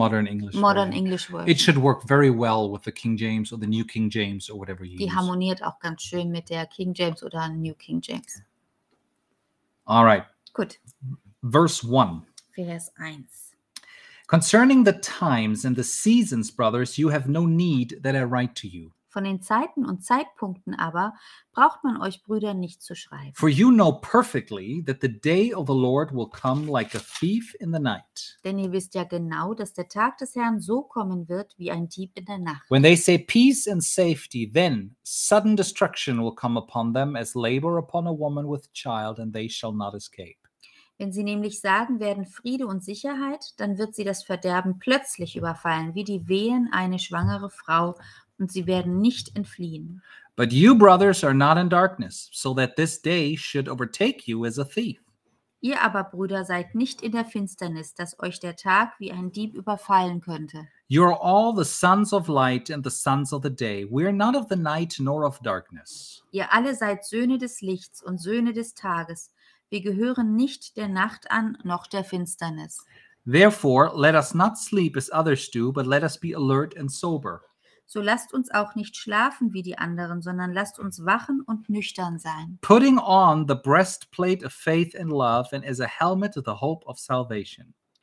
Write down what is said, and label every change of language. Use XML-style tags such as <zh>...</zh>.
<en>Modern English. Modern Version. English Version. It should work very well with the King James or the New King James or whatever you</en> <de>die</de> <en>use.</en> <de>Die harmoniert auch ganz schön mit der King James oder New King James.</de> <en>All right.</en> <de>Gut.</de> <en>Verse 1.</en> <de>Vers 1.</de> <en>Concerning the times and the seasons, brothers, you have no need that I write to you.</en> <de>Von den Zeiten und Zeitpunkten aber braucht man euch Brüder nicht zu schreiben.</de> <en>For you know perfectly that the day of the Lord will come like a thief in the night.</en> <de>Denn ihr wisst ja genau, dass der Tag des Herrn so kommen wird wie ein Dieb in der Nacht.</de> <en>When they say peace and safety, then sudden destruction will come upon them as labor upon a woman with child, and they shall not escape.</en> <de>Wenn sie nämlich sagen werden Friede und Sicherheit, dann wird sie das Verderben plötzlich überfallen, wie die Wehen eine schwangere Frau, und sie werden nicht entfliehen.</de> <en>But you, brothers, are not in darkness, so that this day should overtake you as a thief.</en> <de>Ihr aber, Brüder, seid nicht in der Finsternis, dass euch der Tag wie ein Dieb überfallen könnte.</de> <en>You are all the sons of light and the sons of the day. We are not of the night nor of darkness.</en> <de>Ihr alle seid Söhne des Lichts und Söhne des Tages. Wir gehören nicht der Nacht an, noch der Finsternis.</de> <en>Therefore, let us not sleep as others do, but let us be alert and sober.</en> <de>So lasst uns auch nicht schlafen wie die anderen, sondern lasst uns wachen und nüchtern sein.</de> <en>Putting on the breastplate of faith and love, and as a helmet the hope of salvation.</en>